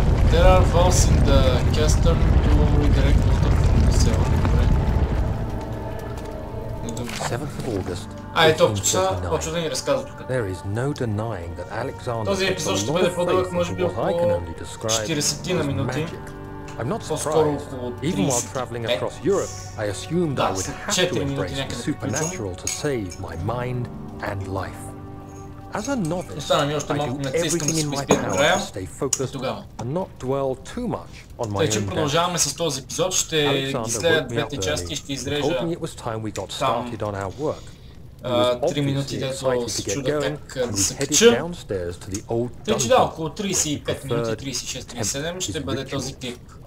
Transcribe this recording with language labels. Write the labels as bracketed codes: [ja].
[en] There are walls in the castle to redirect water from the cell. [bg] Добре. Не думай. А, ето, почва да ни разказва тук. [en] There is no denying that Alexander. [bg] Този епизод ще бъде по-дълъг, може би около 40-ти на минути. [en] I'm not surprised. Even while traveling across Europe, I assumed I would have to embrace the supernatural to save my mind and life. As a novice, I do everything in my power to stay focused and not dwell too much on my own. [bg] Продължаваме с този епизод, ще изследят двете части, ще изрежа. [en] Told me it was time we got started on our work. [bg] 3 минути дето се чуда как да се кача. Тъй че да, около 35 минути, 36-37 ще бъде този клип.